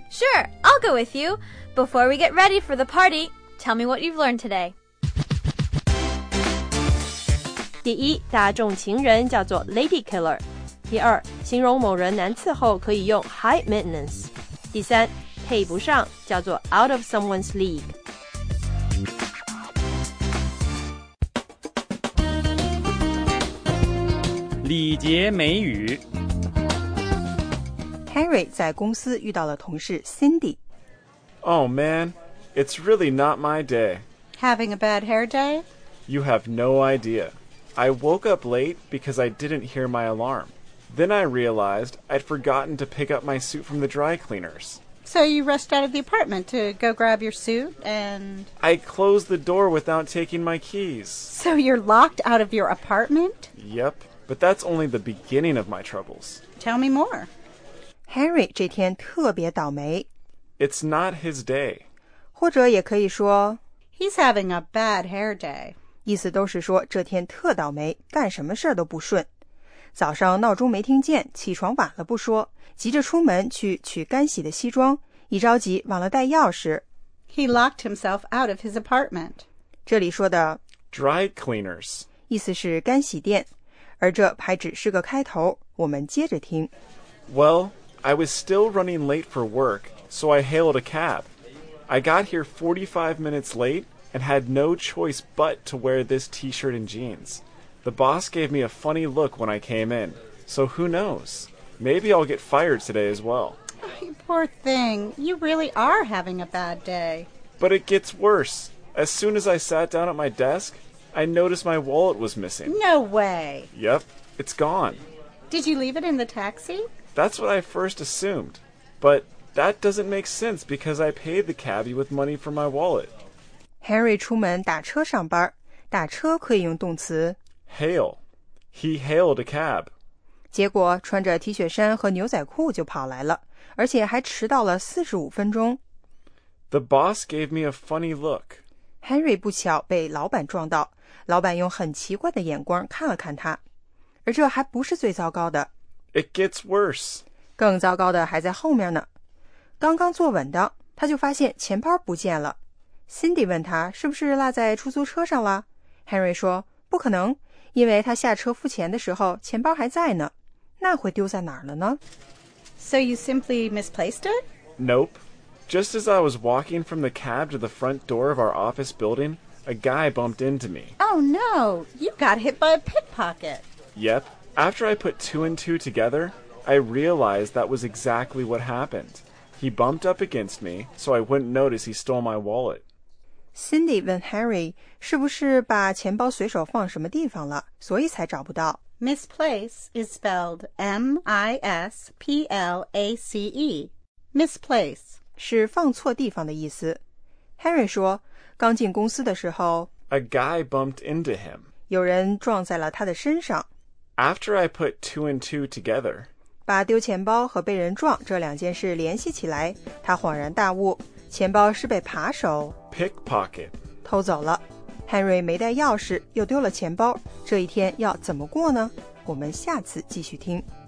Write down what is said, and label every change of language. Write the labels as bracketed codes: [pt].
[en] Sure, I'll go with you. Before we get ready for the party, tell me what you've learned today. [zh] 第一，大众情人叫做 [en] lady killer. [zh] 第二，形容某人难伺候可以用 [en] high maintenance. [zh] 第三，配不上叫做 [en] out of someone's league. [zh] 礼节美语。 Henry 在公司遇到了同事 Cindy. [en] Oh man, it's really not my day. Having a bad hair day? You have no idea. I woke up late because I didn't hear my alarm. Then I realized I'd forgotten to pick up my suit from the dry cleaners. So you rushed out of the apartment to go grab your suit and... I closed the door without taking my keys. So you're locked out of your apartment? Yep, but that's only the beginning of my troubles. Tell me more. [zh] Henry 这天特别倒霉。 [en] It's not his day. [zh] 或者也可以说 [en] He's having a bad hair day. [zh] 意思都是说这天特倒霉，干什么事都不顺。早上闹钟没听见，起床晚了不说，急着出门去取干洗的西装，一着急忘了带钥匙。 [en] He locked himself out of his apartment. [zh] 这里说的 [en] dry cleaners. [zh] 意思是干洗店，而这还只是个开头，我们接着听。 [en] Well,I was still running late for work, so I hailed a cab. I got here 45 minutes late and had no choice but to wear this t-shirt and jeans. The boss gave me a funny look when I came in, so who knows? Maybe I'll get fired today as well. Oh, you poor thing. You really are having a bad day. But it gets worse. As soon as I sat down at my desk, I noticed my wallet was missing. No way. Yep, it's gone. Did you leave it in the taxi? That's what I first assumed, but that doesn't make sense because I paid the cabbie with money for my wallet. [zh] Henry 出门打车上班，打车可以用动词 [en] hail. He hailed a cab. [zh] 结果穿着 T 恤衫和牛仔裤就跑来了，而且还迟到了45分钟。 [en] The boss gave me a funny look. [zh] Henry 不巧被老板撞到，老板用很奇怪的眼光看了看他。而这还不是最糟糕的。 It gets worse. 更糟糕的还在后面呢。刚刚坐稳的，他就发现钱包不见了。Cindy 问他是不是落在出租车上了。 Henry 说，不可能，因为他下车付钱的时候，钱包还在呢。那会丢在哪儿了呢？ [en] So you simply misplaced it? Nope. Just as I was walking from the cab to the front door of our office building, a guy bumped into me. Oh no, you got hit by a pickpocket. Yep. After I put two and two together, I realized that was exactly what happened. He bumped up against me, so I wouldn't notice he stole my wallet. [zh] Cindy 问 Harry, 是不是把钱包随手放什么地方了，所以才找不到。 [en] Misplace is spelled M-I-S-P-L-A-C-E. Misplace [zh] 是放错地方的意思。 Harry 说，刚进公司的时候 [en] ，A guy bumped into him. [zh] 有人撞在了他的身上。 [en] After I put two and two together, [zh] 把丢钱包和被人撞这两件事联系起来，他恍然大悟，钱包是被扒手 [en] pickpocket [zh] 偷走了。 Henry 没带钥匙，又丢了钱包，这一天要怎么过呢？我们下次继续听。